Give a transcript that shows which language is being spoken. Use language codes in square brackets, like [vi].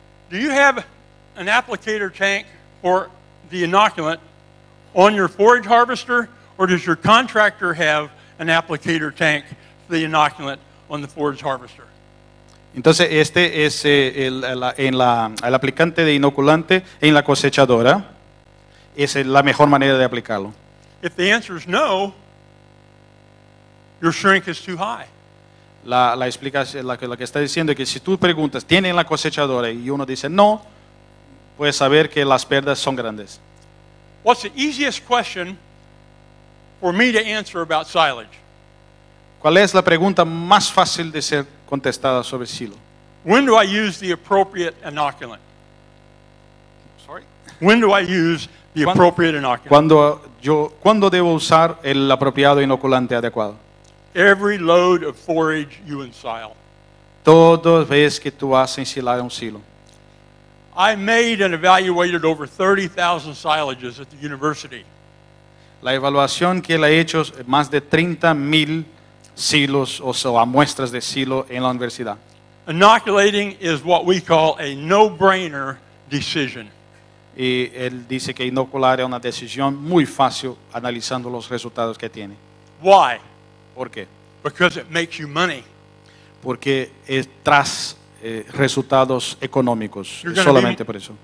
[en] Do you have an applicator tank for the inoculant on your forage harvester, or does your contractor have an applicator tank for the inoculant on the forage harvester? [es] Entonces este es el aplicante de inoculante en la cosechadora. Es la mejor manera de aplicarlo. [en] If the answer is no, your shrink is too high. [es] La explicación, lo que está diciendo es que si tú preguntas, ¿tiene en la cosechadora? Y uno dice no, puedes saber que las pérdidas son grandes. [en] What's the easiest question for me to answer about silage? [es] ¿Cuál es la pregunta más fácil de ser contestada sobre silo? [en] When do I use the appropriate inoculant? Sorry. When do I use the appropriate inoculant? [es] ¿Cuándo debo usar el apropiado inoculante adecuado? [en] Every load of forage you ensile. [es] Toda vez que tú vas a ensilar un silo. [en] I made and evaluated over 30,000 silages at the university. [es] La evaluación que él ha hecho es más de 30,000 silos o sea, muestras de silo en la universidad. [en] Inoculating is what we call a no-brainer decision. [es] Y él dice que inocular es una decisión muy fácil analizando los resultados que tiene. [en] Why? [es] ¿Por qué? [en] Because it makes you money. [es] Porque es tras resultados económicos, solamente por eso.